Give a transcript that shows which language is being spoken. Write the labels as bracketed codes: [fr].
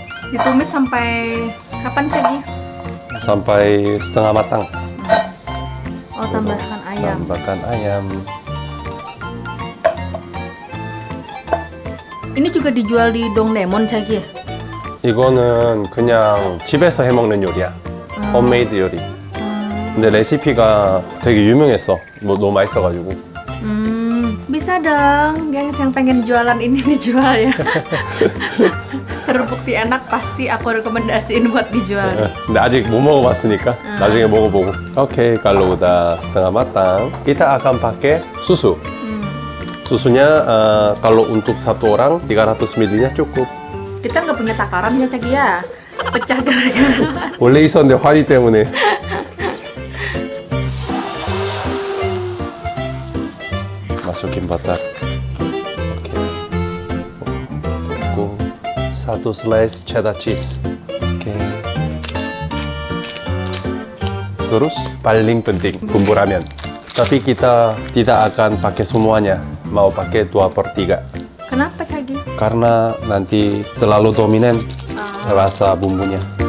[id] Ditumis sampai kapan, Cagi? Sampai setengah matang. Oh, tambahkan ayam. Tambahkan ayam. Ini juga dijual di Dongdaemun, Cagi? [ko] 이거는 그냥 집에서 해먹는 요리야. Homemade 요리. 근데 레시피가 되게 유명했어. 뭐 너무 맛있어가지고. [id] Bisa dong. Yang pengen jualan ini dijual ya. Terbukti enak, pasti aku rekomendasiin buat dijual. [ko] 근데 아직 못 먹어봤으니까 나중에 먹어보고. [id] Oke, kalau udah setengah matang, kita akan pakai susu. Susunya kalau untuk satu orang 300 ml-nya cukup. Kita nggak punya takaran ya, Cagi ya. Pecah gara-gara. [ko] 원래 있었는데 환희 때문에. 마스킹 버터. 오케이. 그리고 1 슬라이스 체다 치즈. 오케이. 그리고 발링 펀딩 분부라면. [id] Tapi kita tidak akan pakai semuanya. Mau pakai 2/3. Kenapa, Cagi? Karena nanti terlalu dominan rasa bumbunya.